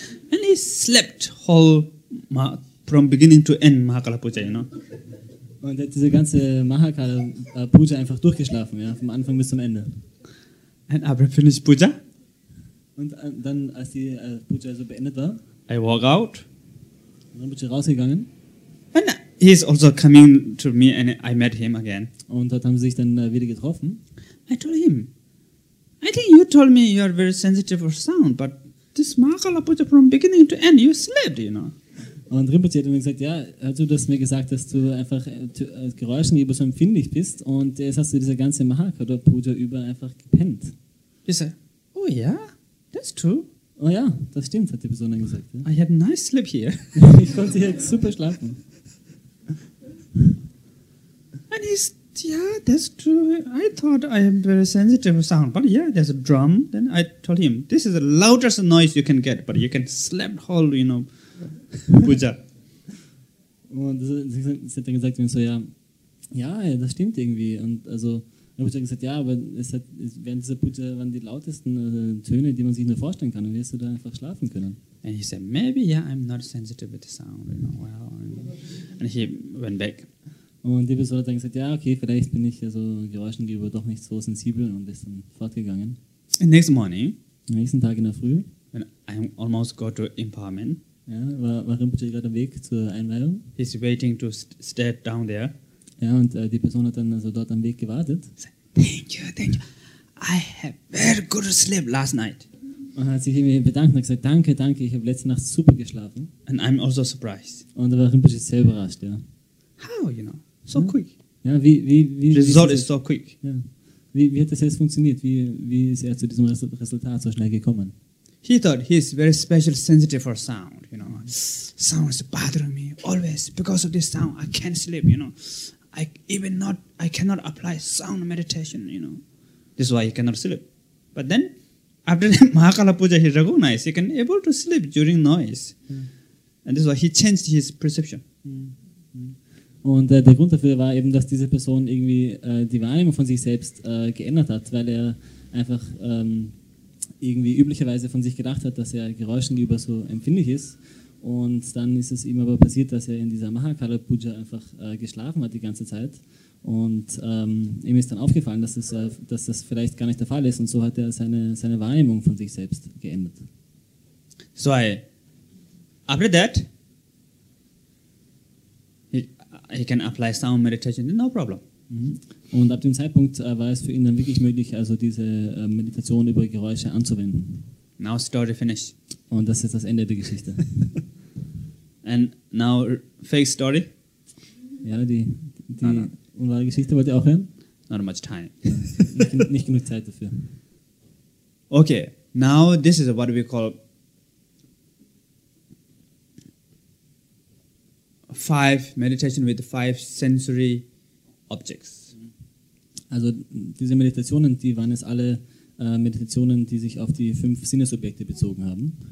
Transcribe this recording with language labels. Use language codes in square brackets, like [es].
[en] And he slept whole from beginning to end Mahakala Puja, you know? [de] Und er hat diese ganze Mahakala Puja einfach durchgeschlafen, ja, vom Anfang bis zum Ende. [en] And after finished Puja? [de] Und dann, als die Puja also beendet war, [en] I walk out. [de] Und dann bin ich rausgegangen. [en] And he is also coming to me and I met him again. [de] Und dort haben sie sich dann wieder getroffen. [en] I told him, I think you told me you are very sensitive for sound, but this Mahakala Puja from beginning to end, you slept, you know. [de] Und Rinpoche hat mir gesagt, ja, hast du das mir gesagt, dass du einfach Geräuschen über so empfindlich bist und jetzt hast du diese ganze Mahakala Puja über einfach gepennt. Ich sag, oh ja. [en] Yeah. That's true. [de] Oh ja, das stimmt, hat die Person dann gesagt. Ja. [en] I had a nice sleep here. [de] Ich konnte hier super schlafen. [en] And he's, yeah, that's true. I thought I am very sensitive to sound. But yeah, there's a drum. Then I told him, this is the loudest noise you can get, but you can slap whole, you know, Puja. [de] Und sie hat dann gesagt, so, ja, das stimmt irgendwie. Und also... Und ich habe gesagt, ja, aber während dieser Puja waren die lautesten Töne, die man sich nur vorstellen kann. Und wirst du da einfach schlafen können? [en] And he said, maybe, yeah, I'm not sensitive with the sound. You know, well, and he went back. [de] Und die Person hat dann gesagt, ja, okay, vielleicht bin ich also Geräuschen gegenüber doch nicht so sensibel und ist dann fortgegangen. [en] And next morning, [de] am nächsten Tag in der Früh, [en] when I almost got to empowerment, [de] ja, war Rinpoche gerade am Weg zur Einweihung. [en] He's waiting to step down there. [de] Ja, und die Person hat dann also dort am Weg gewartet. [en] Thank you. I have very good sleep last night. [de] Und hat sich irgendwie bedankt und gesagt, danke, ich habe letzte Nacht super geschlafen. [en] And I'm also surprised. [de] Und da war Rinpoche sehr überrascht, ja. [en] How, you know, so ja. Quick. [de] Ja, wie [en] result ist so quick. [de] Ja. Wie hat das jetzt funktioniert? Wie ist er zu diesem Resultat so schnell gekommen? He thought he is very special sensitive for sound, you know. Sound is bothering me always. Because of this sound, I can't sleep, you know. I cannot apply sound meditation, you know. This is why he cannot sleep. But then, after the Mahakala Puja, he recognized he can able to sleep during noise. Mm. And this is why he changed his perception. Mm. Und der Grund dafür war eben, dass diese Person irgendwie die Wahrnehmung von sich selbst geändert hat, weil er einfach irgendwie üblicherweise von sich gedacht hat, dass er Geräuschen gegenüber so empfindlich ist. Und dann ist es ihm aber passiert, dass er in dieser Mahakala Puja einfach geschlafen hat die ganze Zeit. Und ihm ist dann aufgefallen, dass das vielleicht gar nicht der Fall ist. Und so hat er seine Wahrnehmung von sich selbst geändert. [en] So, after that, he can apply sound meditation, no problem. Mm-hmm. [de] Und ab dem Zeitpunkt war es für ihn dann wirklich möglich, also diese Meditation über Geräusche anzuwenden. [en] Now story finished. [de] Und das ist das Ende der Geschichte. [en] And now fake story. [de] Ja, die unwahre Geschichte wollt ihr auch hören? [en] Not much time. [de] nicht genug Zeit dafür. [en] Okay, now this is what we call 5 meditation with 5 sensory objects. [de] Also diese Meditationen, die waren jetzt alle Meditationen, die sich auf die 5 Sinnesobjekte bezogen haben.